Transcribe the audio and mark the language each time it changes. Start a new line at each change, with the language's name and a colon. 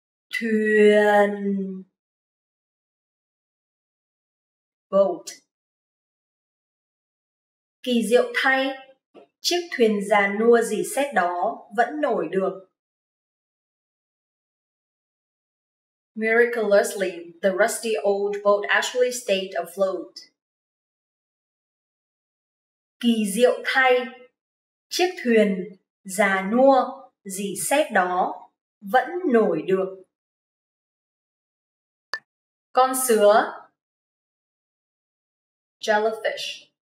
Vietnamese: Thuyền.
English: Boat.
Vietnamese: Kỳ diệu thay, chiếc thuyền già nua rỉ sét đó vẫn nổi được.
English: Miraculously, the rusty old boat actually stayed afloat.
Vietnamese: Kỳ diệu thay, chiếc thuyền già nua rỉ sét đó vẫn nổi được. Con sứa.
English: Jellyfish.